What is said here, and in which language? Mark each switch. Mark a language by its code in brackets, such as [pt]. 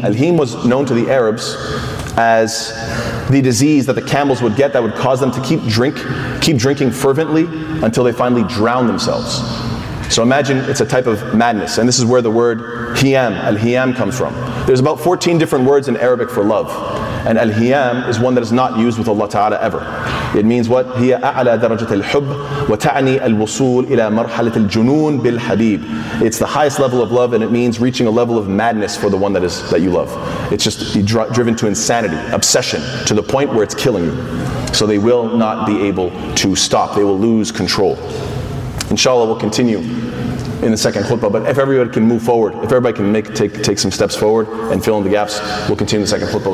[en] Alheem was known to the Arabs as the disease that the camels would get that would cause them to keep drinking fervently until they finally drown themselves. So imagine it's a type of madness, and this is where the word hiyam, al-hiyam, comes from. There's about 14 different words in Arabic for love, and al-hiyam is one that is not used with Allah Ta'ala ever. It means what? [ar] هي أعلى درجة الحب وتعني الوصول إلى مرحلة الجنون بالحبيب. [en] It's the highest level of love, and it means reaching a level of madness for the one that you love. It's just driven to insanity, obsession, to the point where it's killing you. So they will not be able to stop. They will lose control. Inshallah, we'll continue in the second khutbah, but if everybody can move forward, if everybody can take some steps forward and fill in the gaps, we'll continue the second khutbah.